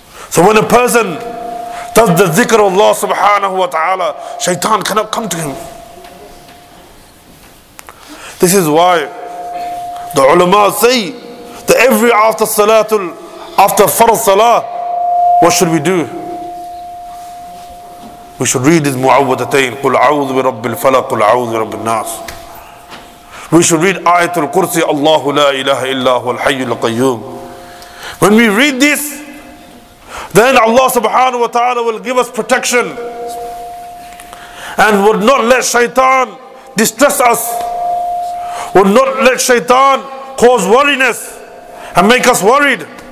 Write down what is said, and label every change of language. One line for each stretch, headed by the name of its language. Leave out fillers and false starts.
English: So when a person does the dhikr of Allah subhanahu wa ta'ala, shaitan cannot come to him. This is why the ulama say that every after salatul, after farz salah, what should we do? We should read this mu'awwadatayn,
Arabic: قُلْ عَوْذُ بِرَبِّ الْفَلَقِ قُلْ عَوْذُ بِرَبِّ النَّاسِ.
English: We should read ayatul kursi,
Arabic: Allahu la ilaha illa huwa al-hayyu al-qayyum.
English: When we read this, then Allah subhanahu wa ta'ala will give us protection and would not let shaitan distress us, would not let shaitan cause worriness and make us worried.